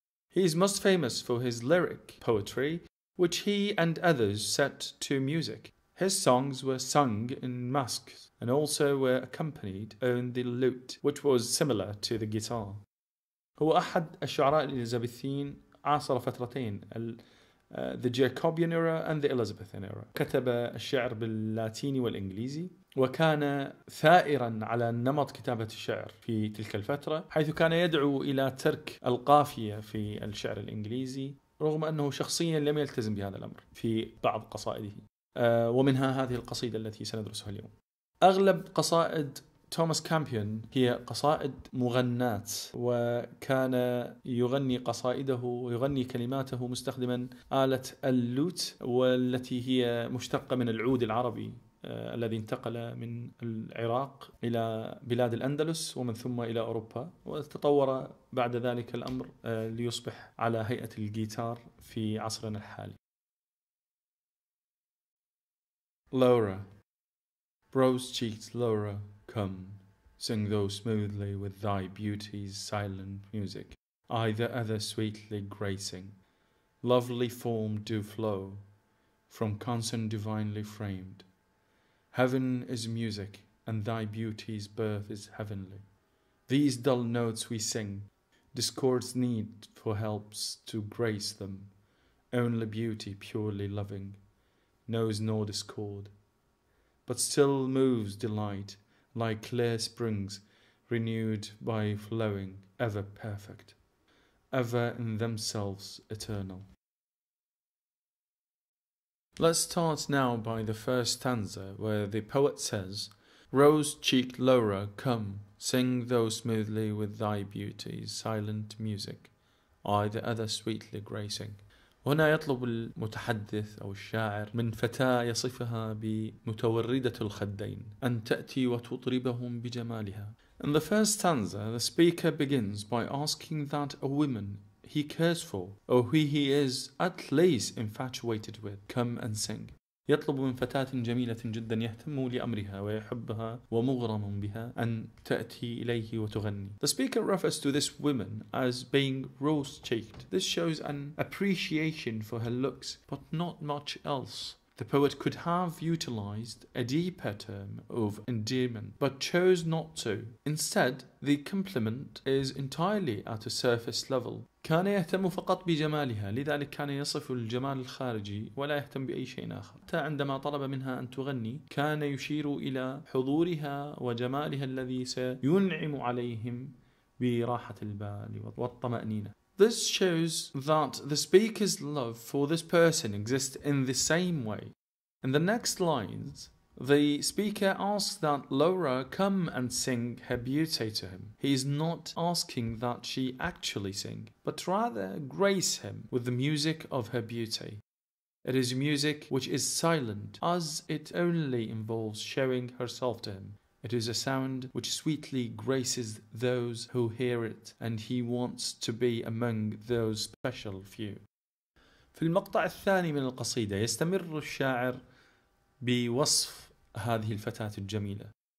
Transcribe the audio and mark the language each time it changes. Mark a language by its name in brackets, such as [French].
[English] He is most famous for his lyric poetry, which he and others set to music. His songs were sung in masques and also were accompanied on the lute, which was similar to the guitar. [Arabic] هو أحد الشعراء الإليزابيثيين عاصر فترتين [English] the Jacobian era and the Elizabethan era. [Arabic] كتب الشعر باللاتيني والإنجليزي وكان ثائرا على نمط كتابة الشعر في تلك الفترة حيث كان يدعو إلى ترك القافية في الشعر الإنجليزي رغم أنه شخصيا لم يلتزم بهذا الأمر في بعض قصائده ومنها هذه القصيدة التي سندرسها اليوم. أغلب قصائد توماس كامبيون هي قصائد مغنات وكان يغني قصائده يغني كلماته مستخدما آلة اللوت والتي هي مشتقة من العود العربي الذي انتقل من العراق إلى بلاد الأندلس ومن ثم إلى أوروبا وتطور بعد ذلك الأمر ليصبح على هيئة الجيتار في عصرنا الحالي. [English] Laura, rose-cheeked Laura, come, sing though smoothly with thy beauty's silent music, I the other sweetly gracing, lovely form do flow, from concern divinely framed. Heaven is music, and thy beauty's birth is heavenly. These dull notes we sing, discords need for helps to grace them. Only beauty purely loving knows nor discord, but still moves delight, like clear springs, renewed by flowing, ever perfect, ever in themselves eternal. Let's start now by the first stanza, where the poet says, Rose-cheeked Laura, come, sing though smoothly with thy beauty's silent music, I the other sweetly gracing. [Arabic] هنا يطلب المتحدث أو الشاعر من فتاة يصفها بمتوردة الخدين أن تأتي وتطربهم بجمالها. [English] In the first stanza, the speaker begins by asking that a woman he cares for or who he is at least infatuated with come and sing. [Arabic] يطلب من فتاة جميلة جدا يهتم لأمرها ويحبها ومغرم بها أن تأتي إليه وتغني. [English] The speaker refers to this woman as being rose-cheeked. This shows an appreciation for her looks, but not much else. The poet could have utilized a deeper term of endearment, but chose not to. Instead, the compliment is entirely at a surface level. [Arabic] كان يهتم فقط بجمالها لذلك كان يصف الجمال الخارجي ولا يهتم بأي شيء آخر حتى عندما طلب منها أن تغني كان يشير إلى حضورها وجمالها الذي سينعم عليهم براحة البال والطمأنينة. [English] This shows that the speaker's love for this person exists in the same way. In the next lines, the speaker asks that Laura come and sing her beauty to him. He is not asking that she actually sing, but rather grace him with the music of her beauty. It is music which is silent, as it only involves showing herself to him. It is a sound which sweetly graces those who hear it, and he wants to be among those special few. [Arabic] في المقطع الثاني من القصيدة يستمر الشاعر بوصف هذه الفتاة الجميلة.